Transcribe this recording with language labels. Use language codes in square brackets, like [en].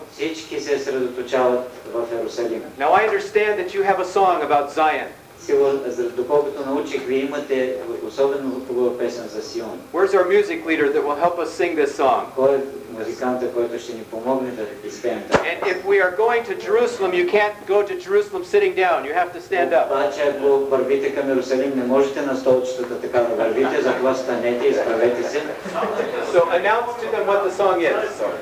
[bg] Всички се съсредоточават в Ерусалим. [en] Now I understand that you have a song about Zion. [bg] Доколкото научих, вие имате особено хубава песен за Сион. [en] Where's our music leader that will help us sing this song? [bg] Кой е музиканта, който ще ни помогне да изпеем това? [en] And if we are going to Jerusalem, you can't go to Jerusalem sitting down. You have to stand up. [bg] Обаче, ако вървите към Иерусалим, не можете на столчетата така да вървите, затова станете и изправете се. [en] So announce to them what the song is.